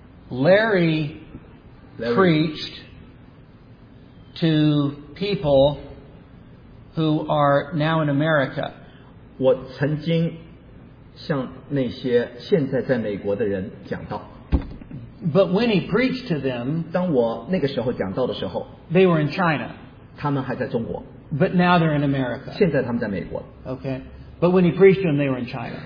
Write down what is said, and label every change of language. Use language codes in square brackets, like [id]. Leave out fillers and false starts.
[en] Larry preached to people who are now in America. [zh] 我曾经向那些现在在美国的人讲道 [en] But when he preached to them [zh] 当我那个时候讲道的时候 [en] They were in China [zh] 他们还在中国 [en] But now they're in America [zh] 现在他们在美国 [en] Okay But when he preached to them they were in China